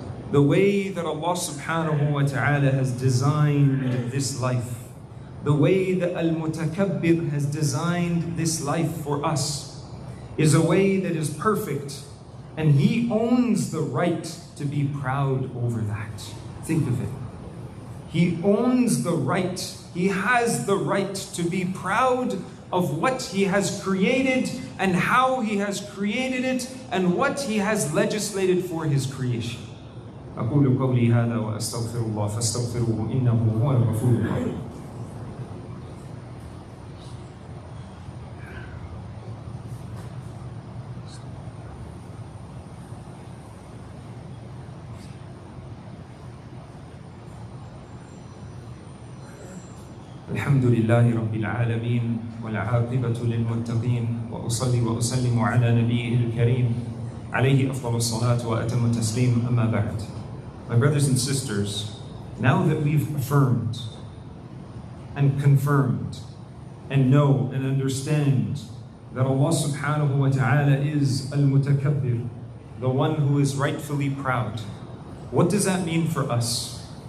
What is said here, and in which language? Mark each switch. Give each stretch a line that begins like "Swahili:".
English: The way that Allah subhanahu wa ta'ala has designed this life, the way that Al-Mutakabbir has designed this life for us, is a way that is perfect, and He owns the right to be proud over that. Think of it. He owns the right, He has the right to be proud of what he has created and how he has created it and what he has legislated for his creation.
Arabic: أقول قولي هذا وأستغفر الله فاستغفروه إنه هو الغفور الرحيم. الحمد لله رب العالمين والعاقبة للمتقين وأصلي وأسلم على نبيه الكريم عليه أفضل الصلاة وأتم التسليم أما بعد.
English: My brothers and sisters, now that we've affirmed and confirmed and know and understand that Allah subhanahu wa ta'ala is al-mutakabbir, the one who is rightfully proud, what does that mean for us?